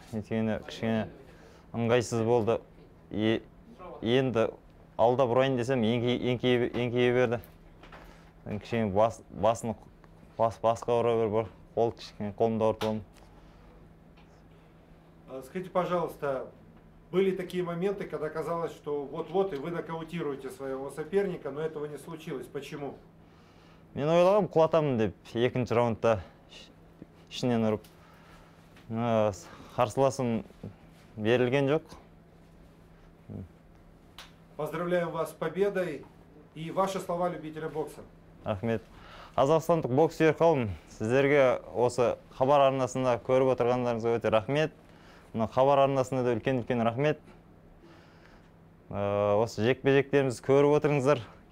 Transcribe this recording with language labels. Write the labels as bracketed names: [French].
[Kazakh] Өйткені кішкене ыңғайсыз болды. Енді алда бұрайын десем, еңкейе берді. Кішкене басқа ұра бір, қол кішкене қолымды ауыртылым. [Russian] Скажите, пожалуйста, были такие моменты, когда казалось, что вот-вот и вы нокаутируете своего соперника, но этого не случилось. Почему? [Kazakh] Мен ойлағам, құлатамын деп, екінші раундта ішінен ұрып. Қарсыласым берілген жоқ. [Russian] Поздравляем вас с победой и ваши слова любителя бокса. [Kazakh] Рахмет. Қазақстандық боксер қауым, сіздерге осы хабар арнасында көріп отырғандарыңызға өте рахмет. Хабар арнасында да үлкен-үлкен рахмет. Осы жекпе-жектеріміз көріп отырыңыздар.